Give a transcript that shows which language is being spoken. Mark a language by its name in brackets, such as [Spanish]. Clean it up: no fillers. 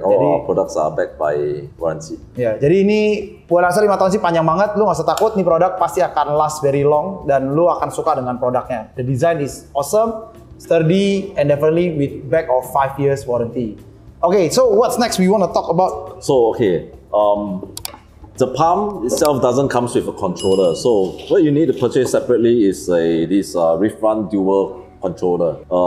[English] All [Indonesian] jadi, [English] our products are backed by warranty. [Indonesian] Yeah. Jadi ini gue rasa 5 tahun sih panjang banget. Lu gak usah takut, ini produk pasti akan [English] last very long [Indonesian] dan lu akan suka dengan produknya. [English] The design is awesome, sturdy, and definitely with back of 5 years warranty. Okay, so what's next we want to talk about? So, okay. The pump itself doesn't come with a controller. So, what you need to purchase separately is this Reef Run Dual controller.